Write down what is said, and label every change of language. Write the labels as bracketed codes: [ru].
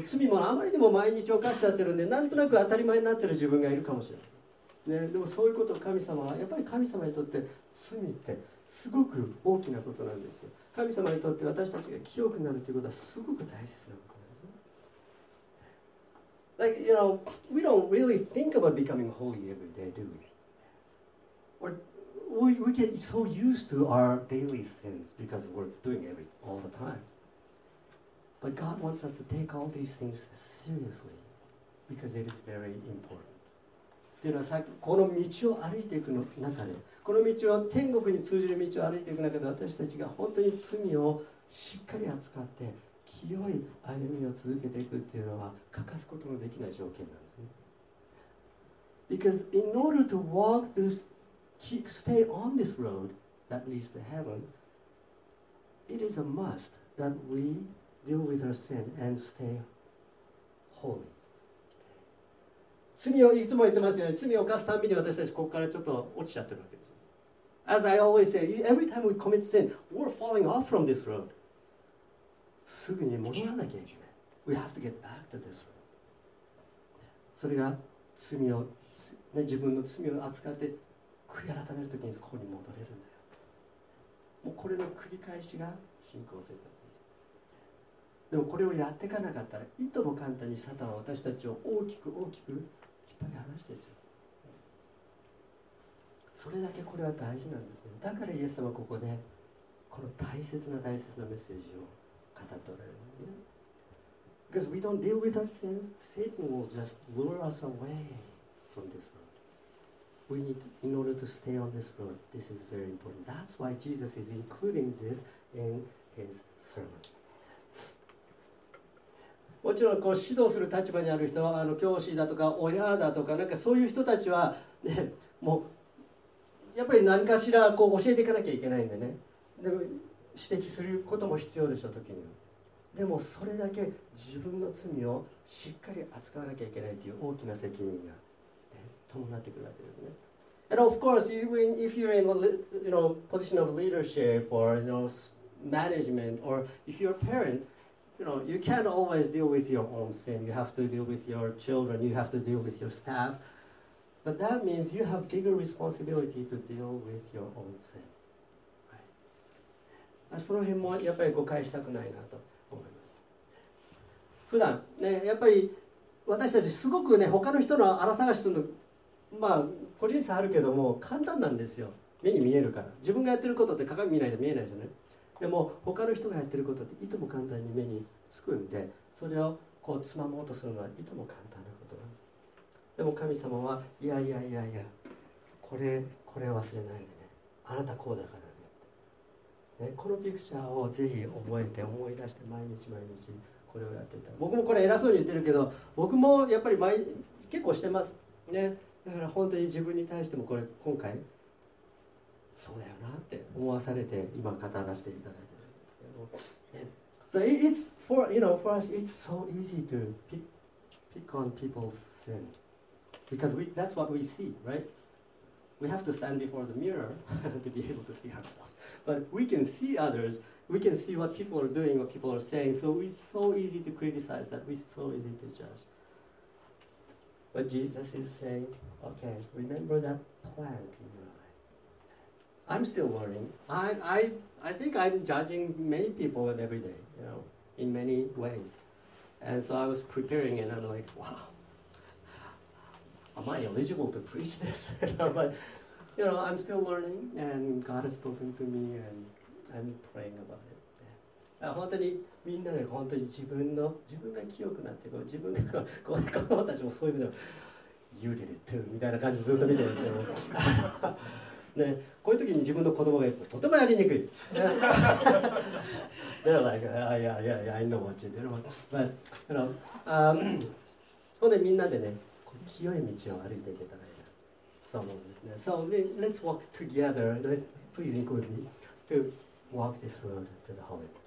[ja] で罪もあまりにも毎日犯しちゃってるんでなんとなく当たり前になってる自分がいるかもしれない。ね、でもそういうことを神様はやっぱり神様にとって罪ってすごく大きなことなんですよ。神様にとって私たちが清くなるということはすごく大切なことなんですね。 [en] Like, you know, we don't really think about becoming holy every day, do we? Or we get so used to our daily sins because we're doing it all the time. But God wants us to take all these things seriously because it is very important. [ja] というのはさっきこの道を歩いていく中で、この道を天国に通じる道を歩いていく中で、私たちが本当に罪をしっかり扱って清い歩みを続けていくっていうのは欠かすことのできない条件なんですね。 [en] Because in order to walk this, keep stay on this road that leads to heaven, it is a must that we deal with our sin and stay holy. [ja] 罪をいつも言ってますよね。罪を犯すたびに私たちここからちょっと落ちちゃってるわけです。 [en] As I always say, every time we commit sin, we're falling off from this road. [ja] すぐに戻らなきゃいけない。 [en] We have to get back to this road. [ja] それが罪を、ね、自分の罪を扱って悔い改めるときにここに戻れるんだよ。もうこれの繰り返しが信仰生活です。でもこれをやっていかなかったら、いとも簡単にサタンは私たちを大きく大きく引っ張り離していっちゃう。それだけこれは大事なんですね。だからイエス様はここでこの大切な大切なメッセージを語っておられる、ね、 [en] Because we don't deal with our sins, Satan will just lure us away from this road. We need, to, in order to stay on this road, this is very important. That's why Jesus is including this in his sermon. [ja] もちろんこう指導する立場にある人、あの教師だとか親だとか、なんかそういう人たちは、ね、もうやっぱり何かしらこう教えていかなきゃいけないんでね。でも指摘することも必要でしょう、時には。でもそれだけ自分の罪をしっかり扱わなきゃいけないという大きな責任が、ね、伴ってくるわけですね。 [en] And of course, even if you're in a you know, position of leadership or you know, management, or if you're a parent, you know, you can't always deal with your own sin. You have to deal with your children, you have to deal with your staff. But that means you have bigger responsibility to deal with your own sin. [ja] その辺もやっぱり誤解したくないなと思います。普段ね、やっぱり私たちすごくね、他の人の穴探しするの、まあ個人差あるけども簡単なんですよ。目に見えるから、自分がやってることって鏡見ないと見えないじゃない。でも他の人がやってることっていとも簡単に目につくんで、それをこうつまもうとするのはいとも簡単なことなんです。でも神様はいやいやいやいや、これ忘れないでね、あなたこうだからね、このピクチャーをぜひ覚えて、思い出して、毎日毎日これをやっていた。僕もこれ偉そうに言ってるけど、僕もやっぱり結構してます、ね、だから本当に自分に対してもこれ今回そうだよなって思わされて今語らせていただいてるんですけど、ね、 [en] So it's for, you know, for us it's so easy to pick on people's sin because that's what we see, right? We have to stand before the mirror to be able to see ourselvesBut we can see others, we can see what people are doing, what people are saying, so it's so easy to criticize that, it's so easy to judge. But Jesus is saying, okay, remember that plant in your eye. I'm still learning. I think I'm judging many people every day, you know, in many ways. And so I was preparing and I'm like, wow, am I eligible to preach this? But,You know, I'm still learning, and God has spoken to me, and I'm praying about it. [ja] 本当にみんなで本当に自分が清くなって、こう自分がこう子供たちもそういう意味で、 [en] You did it too [ja] みたいな感じでずっと見てるんですけど、ね、こういう時に自分の子供が言うととてもやりにくい。 [en] They're like, yeah, I know what you did. But, you know, [ja] 本当にみんなでね、こう清い道を歩いていけたらいい。 [en] So let's walk together. Please include me to walk this road to the holy.